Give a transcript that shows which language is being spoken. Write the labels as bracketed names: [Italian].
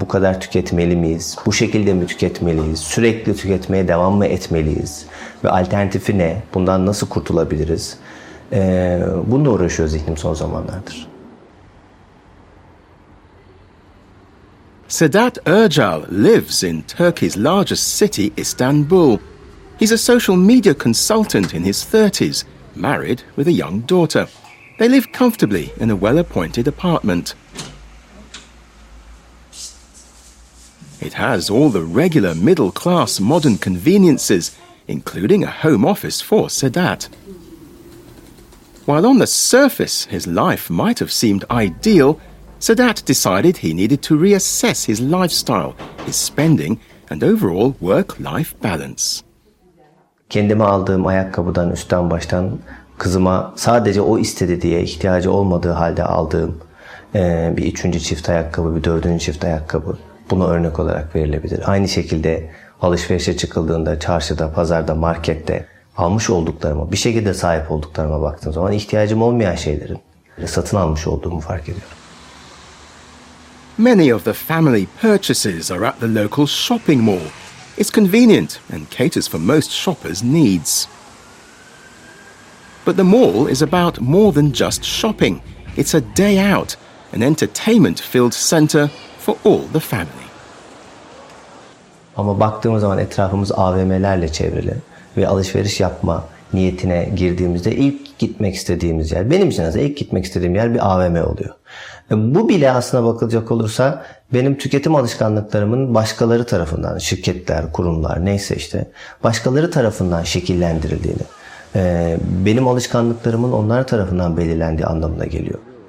[Turkish] Bu kadar tüketmeli miyiz? Bu şekilde mi tüketmeliyiz? Sürekli tüketmeye devam mı etmeliyiz? Ve alternatifi ne? Bundan nasıl kurtulabiliriz? Bununla uğraşıyor zihnim son zamanlardır. [English] Sedat Özcal lives in Turkey's largest city, Istanbul. He's a social media consultant in his 30s, married with a young daughter. They live comfortably in a well-appointed apartment. It has all the regular middle-class modern conveniences, including a home office for Sedat. While on the surface his life might have seemed ideal, Sedat decided he needed to reassess his lifestyle, his spending and overall work-life balance. [Turkish] Kendime aldığım ayakkabıdan üstten baştan kızıma sadece o istedi diye ihtiyacı olmadığı halde aldığım bir üçüncü çift ayakkabı, bir dördüncü çift ayakkabı buna örnek olarak verilebilir. Aynı şekilde alışverişe çıkıldığında çarşıda, pazarda, markette almış olduklarıma, bir şekilde sahip olduklarıma baktığım zaman ihtiyacım olmayan şeylerin satın almış olduğumu fark ediyorum. [English] Many of the family purchases are at the local shopping mall. It's convenient and caters for most shoppers' needs. But the mall is about more than just shopping. It's a day out, an entertainment-filled center for all the family. [Turkish] Ama baktığımız zaman etrafımız AVM'lerle çevrili. Ve alışveriş yapma niyetine girdiğimizde ilk gitmek istediğimiz yer, benim için aslında ilk gitmek istediğim yer bir AVM oluyor. Bu bile aslına bakılacak olursa benim tüketim alışkanlıklarımın başkaları tarafından, şirketler, kurumlar neyse işte, başkaları tarafından şekillendirildiğini, benim alışkanlıklarımın onlar tarafından belirlendiği anlamına geliyor.